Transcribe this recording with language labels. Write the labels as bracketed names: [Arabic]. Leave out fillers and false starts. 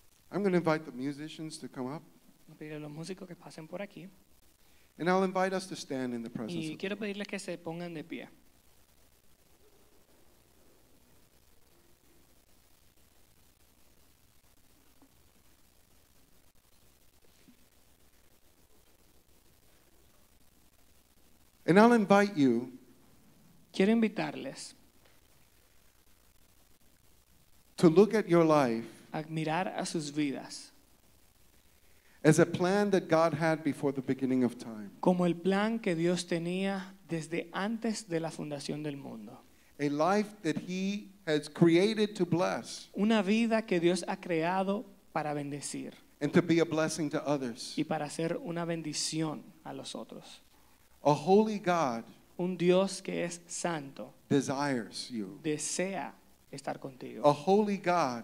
[English] I'm going to invite the musicians to come up. [Spanish] Voy a pedir a los músicos que pasen por aquí. [English] And I'll invite us to stand in the presence [Spanish] y [English] of [Spanish] quiero [English] the Lord. [Spanish] Pedirles que se pongan de pie. [English] And I'll invite you. [Spanish] Quiero invitarles. [English] To look at your life [Spanish] admirar a sus vidas [English] as a plan that God had before the beginning of time. [Spanish] Como el plan que Dios tenía desde antes de la fundación del mundo. [English] A life that He has created to bless. [Spanish] Una vida que Dios ha creado para bendecir. [English] And to be a blessing to others. [Spanish] Y para ser una bendición a los otros. [English] A holy God. [Spanish] Un Dios que es santo. [English] Desires you. [Spanish] Desea. Estar contigo. [English] A holy God.